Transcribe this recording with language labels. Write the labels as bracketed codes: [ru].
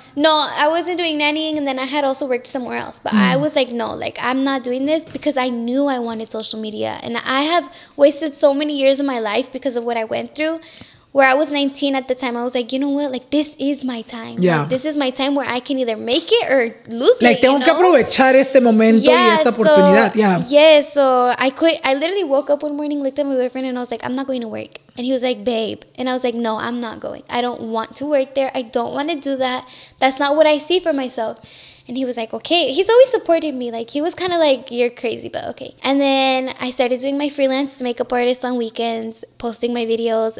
[en] No, I wasn't doing nannying. And then I had also worked somewhere else. But I was like, no, like, I'm not doing this because I knew I wanted social media. And I have wasted so many years of my life because of what I went through. Where I was 19 at the time, I was like, you know what? Like, this is my time. Yeah. Like, this is my time where I can either make it or lose it. [es] Like, tengo que aprovechar este momento y esta oportunidad. [en] Yeah. Yes. So I quit. I literally woke up one morning, looked at my boyfriend, and I was like, I'm not going to work. And he was like, babe. And I was like, no, I'm not going. I don't want to work there. I don't want to do that. That's not what I see for myself. And he was like, okay. He's always supported me. Like, he was kind of like, you're crazy, but okay. And then I started doing my freelance makeup artist on weekends, posting my videos.